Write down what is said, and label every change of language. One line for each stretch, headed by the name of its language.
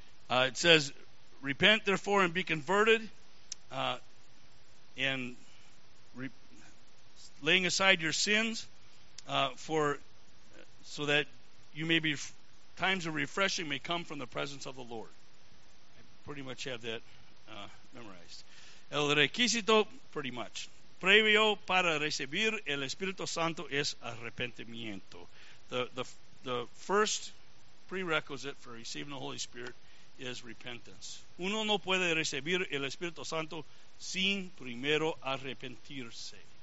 English: It says, repent therefore and be converted, laying aside your sins, so that you may be, times of refreshing may come from the presence of the Lord. I pretty much have that memorized.
Spanish: El requisito,
English: pretty much,
Spanish: previo para recibir el Espíritu Santo es arrepentimiento.
English: The first prerequisite for receiving the Holy Spirit is repentance.
Spanish: Uno no puede recibir el Espíritu Santo sin primero arrepentirse.